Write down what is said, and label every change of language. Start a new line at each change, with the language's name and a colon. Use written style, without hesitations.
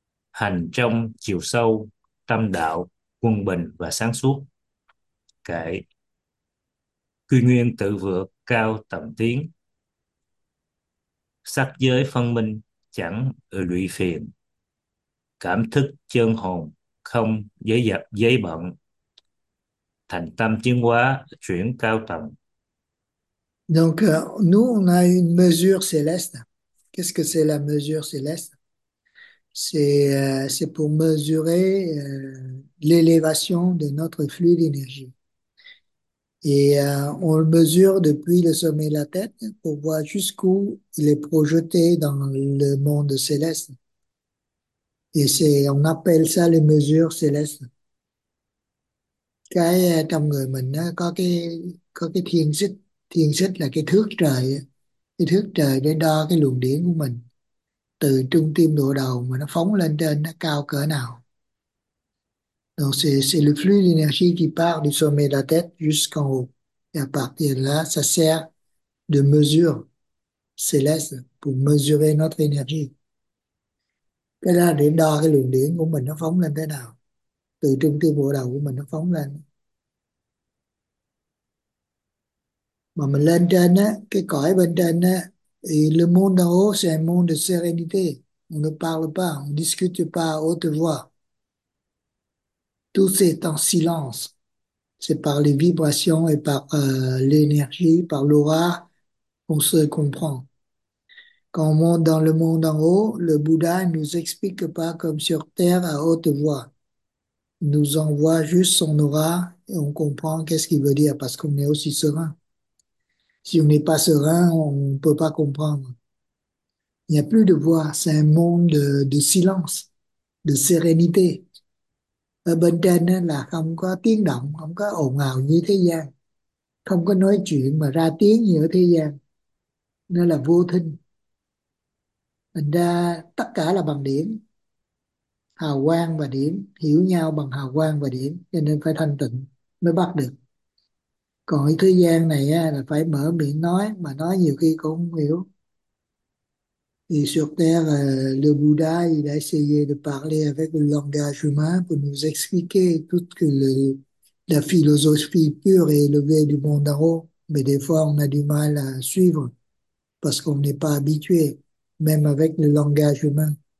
Vietnamese: hành trong chiều sâu tâm đạo quân bình và sáng suốt, kệ quy nguyên tự vượt cao tầm tiến, sắc giới phân minh chẳng lụy phiền, cảm thức chân hồn không giấy dập giấy bận, thành tâm chuyển hóa chuyển cao tầm,
French: Donc, nous, on a une mesure céleste. Qu'est-ce que c'est la mesure céleste? C'est pour mesurer l'élévation de notre flux d'énergie. Et on le mesure depuis le sommet de la tête pour voir jusqu'où il est projeté dans le monde céleste. On appelle ça les mesures célestes.
Vietnamese: Cái trong người mình có cái thiên xích là cái thước trời, cái thước trời để đo cái luồng điển của mình từ trung tim đổ đầu mà nó phóng lên trên nó cao cỡ nào.
French: Donc c'est le flux d'énergie qui part du sommet de la tête jusqu'en haut. Et à partir de là, ça sert de mesure céleste pour mesurer notre énergie.
Vietnamese: Cái là để đo cái luồng điển của mình nó phóng lên thế nào. Từ trung tâm bộ đầu của mình nó phóng lên. Mà mình lên trên á, cái cõi bên trên á, thì
French: le monde d'en haut, c'est un monde de sérénité. On ne parle pas, on ne discute pas à haute voix. Tout c'est en silence. C'est par les vibrations et par l'énergie, par l'aura, qu'on se comprend. Quand on monte dans le monde d'en haut, le Bouddha ne nous explique pas comme sur Terre à haute voix. Nous envoie juste son aura et on comprend qu'est-ce qu'il veut dire parce qu'on est aussi serein. Si on n'est pas serein, on ne peut pas comprendre. Il n'y a plus de voix, c'est un monde de silence, de sérénité.
Vietnamese: Ở bên trên là không có tiếng động, không có ồn ào như thế gian, không có nói chuyện mà ra tiếng như ở thế gian. Nó là vô thinh. Thành ra tất cả là bằng điểm. Hào quang và điển hiểu nhau bằng hào quang và điển, cho nên phải thanh tịnh mới bắt được. Còn ở thế gian này á, là phải mở miệng nói, mà nói nhiều khi cũng không hiểu.
French: Et sur Terre, le Bouddha, il a essayé de parler avec le langage humain pour nous expliquer toute la philosophie pure et élevée du monde d'en haut. Mais des fois, on a du mal à suivre parce qu'on n'est pas habitué, même avec le langage humain.